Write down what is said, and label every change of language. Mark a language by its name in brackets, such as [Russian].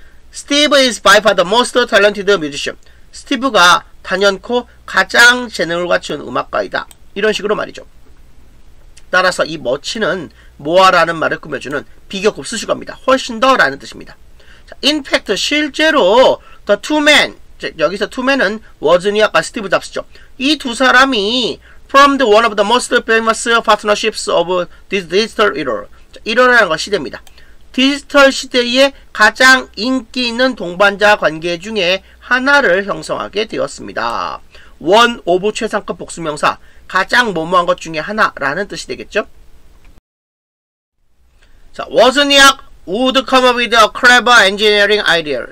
[English] Steve is by far the most talented musician. [Korean] 스티브가 단연코 가장 재능을 갖춘 음악가이다. 이런 식으로 말이죠. 따라서 이 much는 모아라는 말을 꾸며주는 비교급 수식어입니다. 훨씬 더 라는 뜻입니다. 자, [English] in fact, [Korean] 실제로 [English] the two men, [Korean] 즉 여기서 two men은 Wozniak과 스티브 잡스죠. 이 두 사람이 [English] from the one of the most famous partnerships of this digital era. [Korean] 이러라는 것이 됩니다. 디지털 시대의 가장 인기 있는 동반자 관계 중에 하나를 형성하게 되었습니다. [English] one of [Korean] 최상급 복수명사, 가장 뭐뭐한 것 중에 하나라는 뜻이 되겠죠. [English] 자, Wozniak would come up with a clever engineering idea.